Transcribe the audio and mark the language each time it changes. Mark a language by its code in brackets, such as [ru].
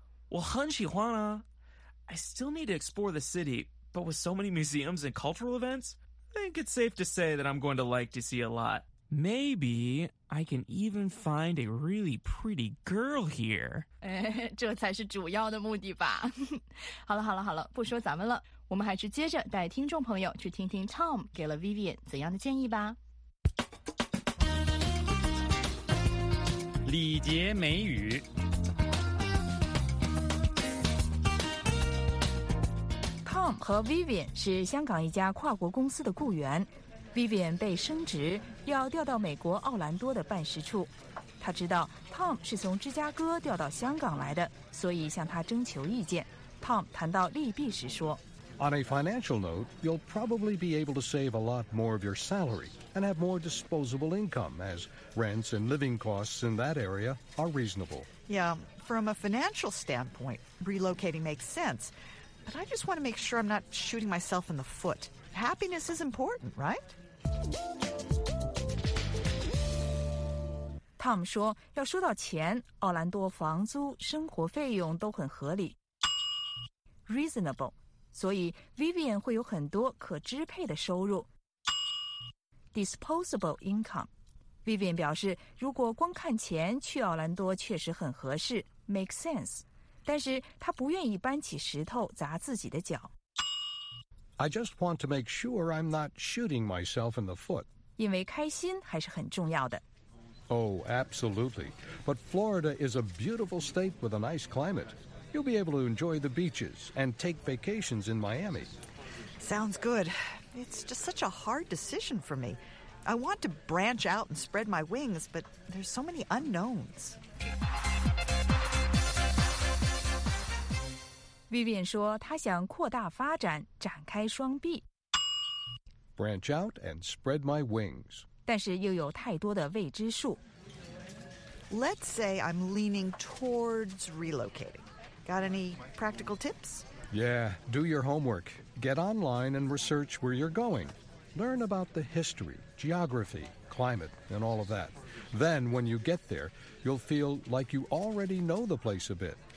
[zh] 我很喜欢啊。 [en] I still need to explore the city, but with so many museums and cultural events, I think it's safe to say that I'm going to like D.C. a lot. Maybe I can even find a really pretty girl here. [zh] 这才是主要的目的吧。好了，不说咱们了，我们还是接着带听众朋友去听听 Tom 给了 Vivian 怎样的建议吧。李杰美语。 Tom 和 Vivian 是香港一家跨国公司的雇员。 Vivian 被升职，要调到美国奥兰多的办事处。他知道 Tom 是从芝加哥调到香港来的，所以向他征求意见。 Tom 谈到利弊时说 [en] ：“On a financial note, you'll probably be able to save a lot more of your salary and have more disposable income, as rents and living costs in that area are reasonable.” Yeah, from a financial standpoint, relocating makes sense. But I just want to make sure I'm not shooting myself in the foot. Happiness is important, right? [zh] Tom 说，要说到钱，奥兰多房租、生活费用都很合理 ，reasonable。所以 Vivian 会有很多可支配的收入 ， [en] disposable income。 [zh] Vivian 表示，如果光看钱，去奥兰多确实很合适 ， [en] make sense。 [zh] 但是他不愿意搬起石头砸自己的脚。 [en] I just want to make sure I'm not shooting myself in the foot. [zh] 因为开心还是很重要的。 [en] Oh, absolutely. But Florida is a beautiful state with a nice climate. You'll be able to enjoy the beaches and take vacations in Miami. Sounds good. It's just such a hard decision for me. I want to branch out and spread my wings, but there's so many unknowns. [zh] Vivian 说她想扩大发展，展开双臂。 [en] Branch out and spread my wings. [zh] 但是又有太多的未知数。 [en] Let's say I'm leaning towards relocating. Got any practical tips? Yeah, do your homework. Get online and research where you're going. Learn about the history, geography, climate, and all of that. Then, when you get there, you'll feel like you already know the place a bit.